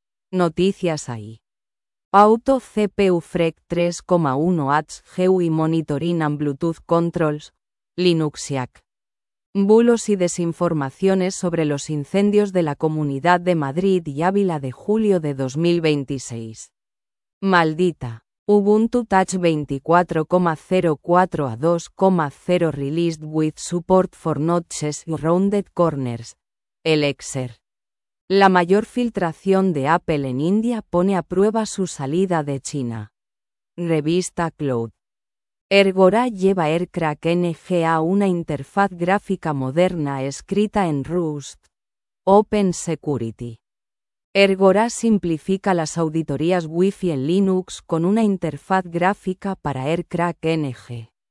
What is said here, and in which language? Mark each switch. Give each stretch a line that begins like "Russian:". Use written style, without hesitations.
Spanish: Noticias ahí.
English: Auto CPU Freq 3.1 Hz GUI Monitoring and Bluetooth Controls, Linuxiac.
Spanish: Bulos y desinformaciones sobre los incendios de la Comunidad de Madrid y Ávila de julio de 2026. Maldita.
English: Ubuntu Touch 24.04 a 2.0 released with support for notches and rounded corners. Elixir.
Spanish: La mayor filtración de Apple en India pone a prueba su salida de China. Revista Cloud. Ergora lleva Aircrack NG a una interfaz gráfica moderna escrita en Rust. Open Security. Ergora simplifica las auditorías Wi-Fi en Linux con una interfaz gráfica para Aircrack NG.